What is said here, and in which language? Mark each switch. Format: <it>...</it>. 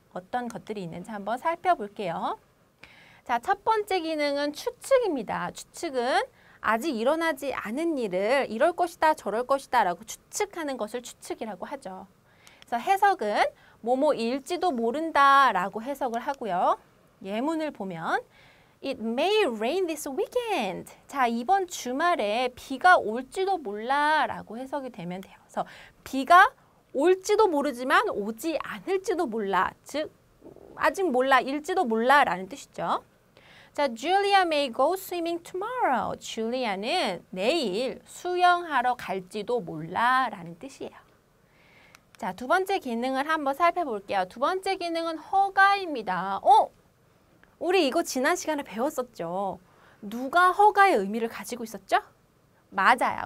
<ko>어떤 것들이 있는지 한번 살펴볼게요. 자, 첫 번째 기능은 추측입니다. 추측은 아직 일어나지 않은 일을 이럴 것이다 저럴 것이다 라고 추측하는 것을 추측이라고 하죠. 그래서 해석은 뭐뭐일지도 모른다 라고 해석을 하고요. 예문을 보면</ko> <en>It may rain this weekend.</en> <ko>자, 이번 주말에 비가 올지도 몰라 라고 해석이 되면 돼요. 그래서 비가 올지도 모르지만 오지 않을지도 몰라. 즉 아직 몰라, 일지도 몰라 라는 뜻이죠.</ko> <en>자, Julia may go swimming tomorrow.</en> <ko>Julia는 내일 수영하러 갈지도 몰라 라는 뜻이에요. 자, 두 번째 기능을 한번 살펴볼게요. 두 번째 기능은 허가입니다. 우리 이거 지난 시간에 배웠었죠. 누가 허가의 의미를 가지고 있었죠? 맞아요.</ko>